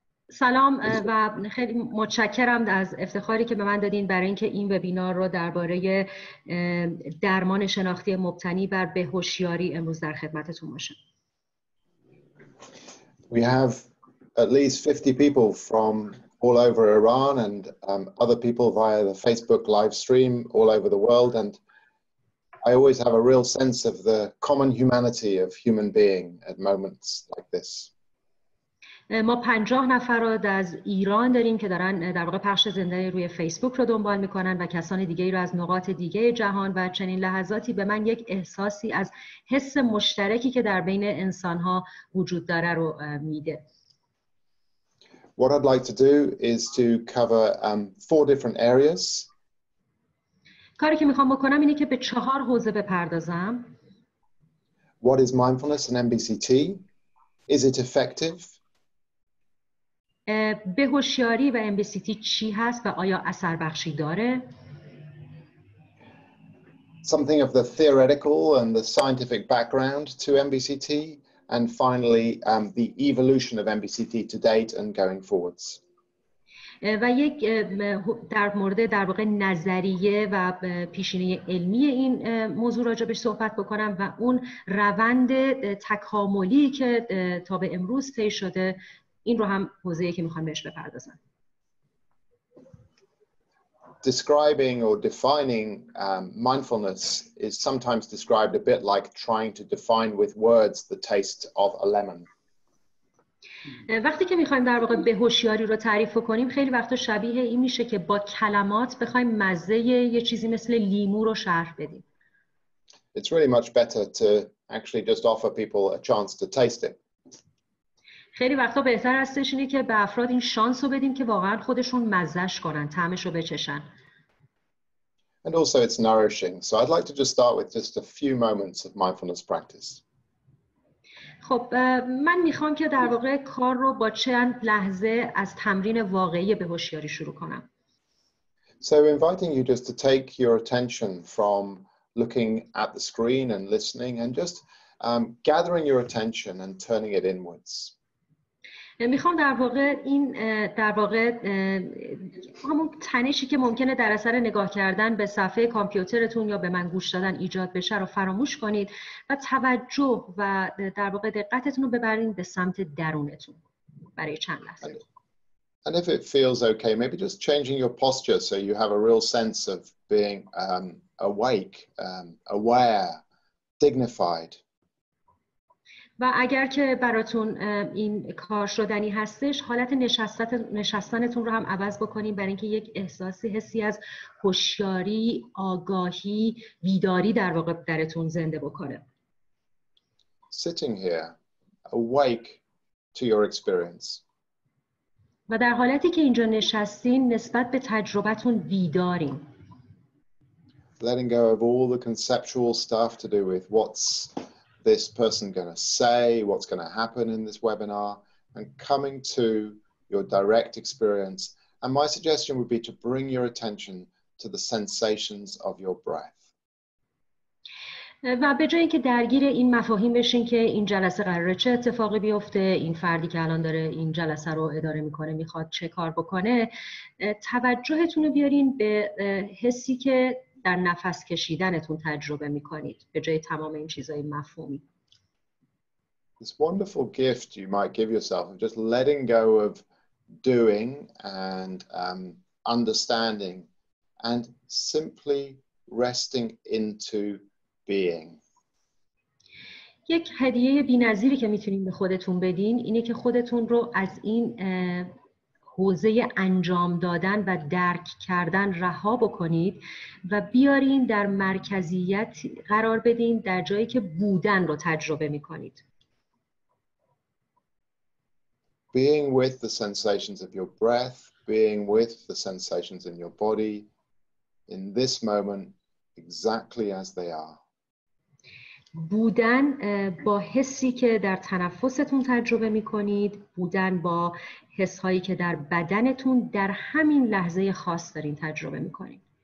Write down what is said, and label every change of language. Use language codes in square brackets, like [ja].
[fa] سلام و خیلی متشکرم از افتخاری که به من دادین برای اینکه این وبینار رو درباره درمان شناختی مبتنی بر بهوشیاری امروز در خدمتتون باشم. [en] We have at least 50 people from all over Iran and other people via the Facebook live stream all over the world. And I always have a real sense of the common humanity of human being at moments like this. [fa] ما 50 نفر رو از ایران داریم که دارن در واقع پخش زنده روی فیسبوک رو دنبال میکنن و کسان دیگه رو از نقاط دیگه جهان و چنین لحظاتی به من یک احساسی از حس مشترکی که در بین انسان‌ها وجود داره رو میده. [en] What I'd like to do is to cover four different areas. [fa] کاری که میخوام بکنم اینه که به چهار حوزه بپردازم. [en] What is mindfulness and MBCT? Is it effective? [fa] به هوشیاری و MBCT چی هست و آیا اثر بخشی داره؟ [en] Something of the theoretical and the scientific background to MBCT and finally the evolution of MBCT to date and going forwards. [fa] و یک در مورد در واقع نظریه و پیشینه علمی این موضوع راجع بهش صحبت بکنم و اون روند تکاملی که تا به امروز طی شده این رو هم حوزه‌ای که می‌خوام بهش بپردازم. [en] Describing or defining mindfulness is sometimes described a bit like trying to define with words the taste of a lemon. [fa] وقتی که می‌خوایم در واقع به هوشیاری رو تعریف کنیم خیلی وقتا شبیه این میشه که با کلمات بخوایم مزه یه چیزی مثل لیمو رو شرح بدیم. [en] It's really much better to actually just offer people a chance to taste it. [fa] خیلی وقتا بهتر هستش اینه که به افراد این شانس رو بدیم که واقعا خودشون مزهش کنن، طعمش رو بچشن. [en] And also it's nourishing. So I'd like to just start with just a few moments of mindfulness practice. [fa] خب من میخوام که در واقع کار رو با چند لحظه از تمرین واقعی به هوشیاری شروع کنم. [en] So inviting you just to take your attention from looking at the screen and listening and just gathering your attention and turning it inwards. [fa] میخوام در واقع این در واقع همون تنشی که ممکنه در اثر نگاه کردن به صفحه کامپیوترتون یا به من گوش دادن ایجاد بشه رو فراموش کنید و توجه و در واقع دقتتون رو ببرید به سمت درونتون برای چند لحظه. [en] And if it feels okay, maybe just changing your posture so you have a real sense of being awake, aware, dignified. [fa] و اگر که براتون این کار شدنی هستش حالت نشستنتون رو هم عوض بکنیم برای اینکه یک احساسی حسی از هوشیاری، آگاهی، بیداری در واقع درتون زنده بکنه. [en] Sitting here awake to your experience. [fa] و در حالتی که اینجا نشستین نسبت به تجربتون بیدارین. [en] Letting go of all the conceptual stuff to do with what's this person going to say, what's going to happen in this webinar, and coming to your direct experience. And my suggestion would be to bring your attention to the sensations of your breath. [fa] و به جای اینکه درگیر این مفاهیم بشین که این جلسه قراره چه اتفاقی بیفته، این فردی که الان داره این جلسه رو اداره میکنه میخواد چه کار بکنه، توجهتون رو بیارین به حسی که در نفس کشیدنتون تجربه میکنید به جای تمام این چیزهای مفهومی. [en] This wonderful gift you might give yourself of just letting go of doing and understanding and simply resting into being. [fa] یک هدیه بی‌نظیری که میتونین به خودتون بدین اینه که خودتون رو از این حوزه انجام دادن و درک کردن رها بکنید و بیارین در مرکزیت قرار بدین در جایی که بودن رو تجربه میکنید. [en] Being with the sensations of your breath, being with the sensations in your body, in this moment, exactly as they are. [fa] بودن با حسی که در تنفستون تجربه میکنید، بودن با حس هایی که در بدنتون در همین لحظه خاص دارین تجربه میکنید.